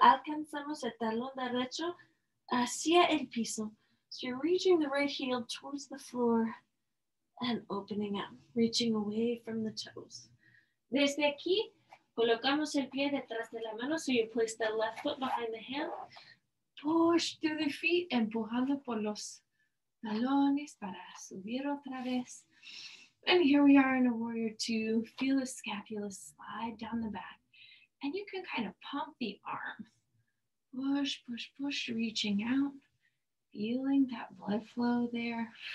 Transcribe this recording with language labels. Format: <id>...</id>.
<es>Alcanzamos el talón derecho hacia el piso.</es> <en>So you're reaching the right heel towards the floor and opening up, reaching away from the toes.</en> <es>Desde aquí, colocamos el pie detrás de la mano.</es> <en>So you place the left foot behind the heel. Push through the feet,</en> <es>empujando por los talones para subir otra vez.</es> <en>And here we are in a warrior two. Feel the scapula slide down the back. And you can kind of pump the arm. Push, push, push, reaching out. Feeling that blood flow there.</en>